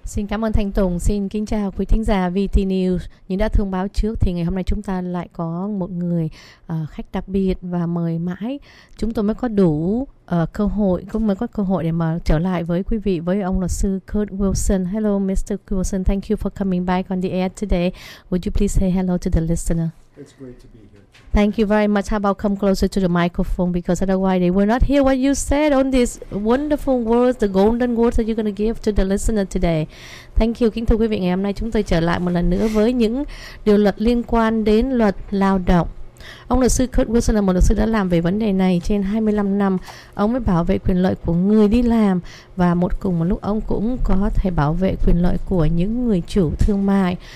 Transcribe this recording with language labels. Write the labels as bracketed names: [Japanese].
[Vietnamese] Xin cảm ơn Thanh Tùng. Xin kính chào quý thính giả VT News. Như đã thông báo trước thì ngày hôm nay chúng ta lại có một người khách đặc biệt và mời mãi. Chúng tôi mới có đủ cơ hội để mà trở lại với quý vị với ông luật sư Kurt Wilson. [English] Hello Mr. Wilson, thank you for coming back on the air today. Would you please say hello to the listener? It's great to be here. Thank you very much. How about come closer to the microphone because otherwise they will not hear what you said on these wonderful words, the golden words that you're going to give to the listener today. Thank you. [Vietnamese] Kính thưa quý vị, ngày hôm nay chúng tôi trở lại một lần nữa với những điều luật liên quan đến luật lao động. Ông luật sư Kurt Wilson là một luật sư đã làm về vấn đề này trên 25 năm. Ông mới bảo vệ quyền lợi của người đi làm và một cùng một lúc ông cũng có thể bảo vệ quyền lợi của những người chủ thương mại.